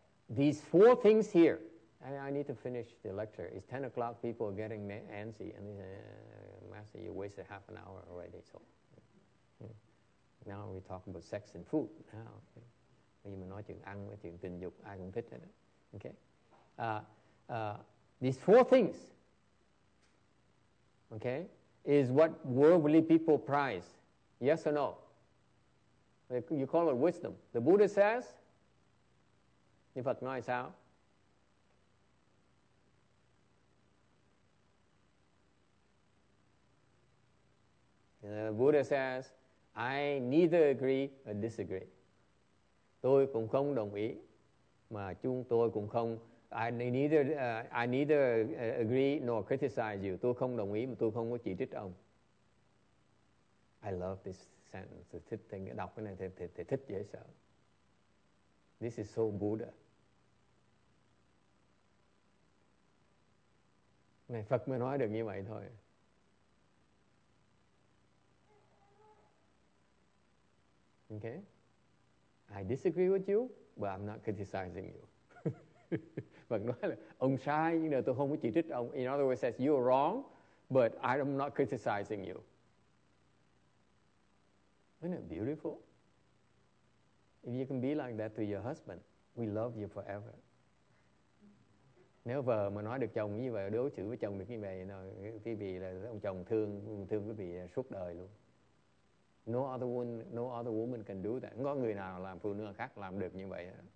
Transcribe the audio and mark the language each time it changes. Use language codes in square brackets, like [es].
[en] These four things here. I need to finish the lecture. It's 10 o'clock. People are getting antsy. And they say, Master, you wasted half an hour already. So now we talk about sex and food. Now, okay. [vi] Mà nói chuyện ăn, chuyện tình dục, ai cũng thích hết. [en] Okay? These four things, okay, is what worldly people prize. Yes or no? You call it wisdom. The Buddha says, [vi] Như Phật nói sao? [en] The Buddha says, I neither agree or disagree. [vi] Tôi cũng không đồng ý, mà chúng tôi cũng không. [en] I neither agree nor criticize you. [vi] Tôi không đồng ý mà tôi không có chỉ trích ông. [en] I love this sentence. [vi] Thích thì đọc cái này thì thích dễ sợ. [en] This is so Buddha. [vi] Này Phật mới nói được như vậy thôi. [en] Okay. I disagree with you, but I'm not criticizing you. [vi] Phật nói là ông sai nhưng mà tôi không có chỉ trích ông. [en] In other words, says you are wrong, but I am not criticizing you. Isn't it beautiful? If you can be like that to your husband, we love you forever. [vi] Nếu vợ mà nói được chồng như vậy, đối xử với chồng được như vậy, quý vị là ông chồng thương quý vị suốt đời luôn. [en] No other woman can do that. [vi] Có người nào làm phụ nữ khác làm được như vậy?